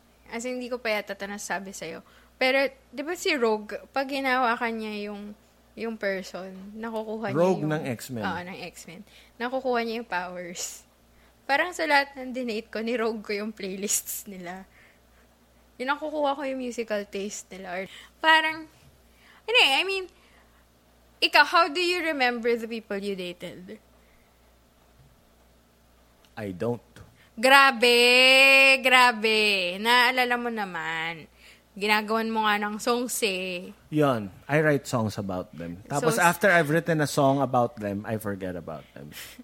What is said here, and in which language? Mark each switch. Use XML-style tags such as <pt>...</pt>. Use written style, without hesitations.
<tl>As in, hindi ko pa yata tanasabi sa'yo. Pero, di ba si Rogue, pag hinawakan niya yung person, nakukuha Rogue yung... Rogue ng X-Men. Oo, ng X-Men. Nakukuha niya yung powers. Parang sa lahat ng donate ko, ni Rogue ko yung playlists nila. Yung nakukuha ko yung musical taste nila. Parang,</tl> <en>anyway, I mean,</en> <tl>ikaw,</tl> <en>how do you remember the people you dated? I don't.</en> <tl>Grabe! Grabe! Naalala mo naman. Ginagawan mo nga ng songs eh.</tl> <en>Yun. I write songs about them.</en> <tl>Tapos so,</tl> <en>after I've written a song about them, I forget about them.</en>